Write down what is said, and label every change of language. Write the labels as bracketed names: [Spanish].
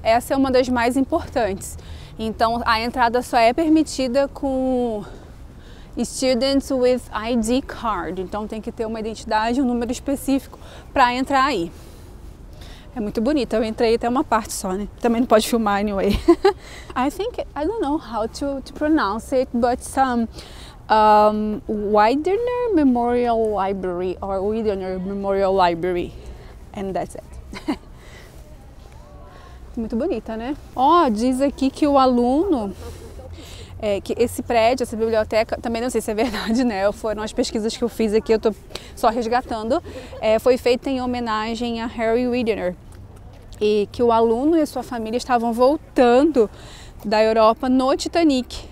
[Portuguese] Essa é uma das mais importantes. Então, a entrada só é permitida com [English] students with ID card. [Portuguese] Então, tem que ter uma identidade, um número específico para entrar aí. É muito bonito. Eu entrei até uma parte só, né? Também não pode filmar, anyway. [English] I think, I don't know how to pronounce it, but some Widener Memorial Library or Widener Memorial Library. And that's it. [Portuguese] Muito bonita, né? Diz aqui que o aluno, que esse prédio, essa biblioteca, também não sei se é verdade, né? Foram as pesquisas que eu fiz aqui, eu tô só resgatando. Foi feita em homenagem a Harry Widener. E que o aluno e a sua família estavam voltando da Europa no Titanic.